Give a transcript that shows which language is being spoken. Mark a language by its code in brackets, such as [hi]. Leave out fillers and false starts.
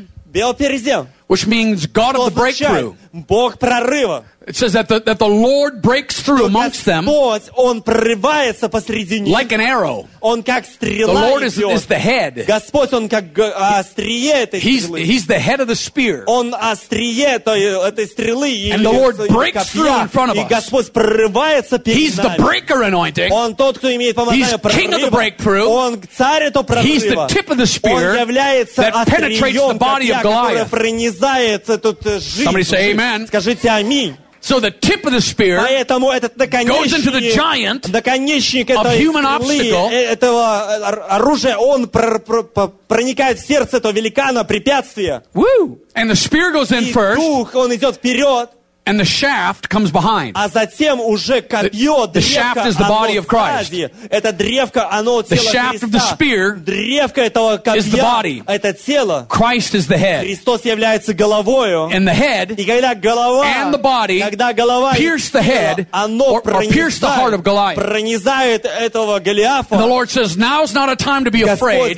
[en] Baal-perazim, which means God of the breakthrough. [ru] Бог прорыва. [en] It says that the Lord breaks through amongst them. [ru] Господь, он прорывается посреди них. [en] Like an arrow. [ru] Он как стрела. [en] The Lord is the head. [ru] Господь, он как острие этой стрелы. [en] He's the head of the spear. [ru] Он острие этой стрелы. [en] And the Lord breaks through in front of us. [ru] И Господь прорывается перед нами. [en] He's the breaker anointing. [ru] Он тот, кто имеет помазание прорыва. [en] He's king of the breakthrough. [ru] Он царь этого прорыва. [en] He's the tip of the spear that penetrates the body of Goliath. [ru] Он пронизает этот жизнь. [en] Somebody say amen. [ru] Скажите аминь. [en] So the tip of the spear [ru] поэтому этот наконечник [en] of human obstacle, [ru] этого оружия, он проникает в сердце этого великана препятствия. [en] Woo! And the spear goes in first. [ru] Дух, он идет вперед. [en] And the shaft comes behind. [ru] А затем уже копье, [en] the shaft is the body of Christ. [ru] Это древко, оно тело [en] Христа. The shaft of the spear [ru] древко этого копья, [en] is the body. [ru] Это тело. [en] Christ is the head. [ru] Христос является головою. [en] And the head [ru] и когда голова, [en] and the body [ru] когда голова [en] pierce the head or pierce the heart of Goliath. [ru] Пронизает этого Голиафа. [en] And the Lord says, now is not a time to be afraid.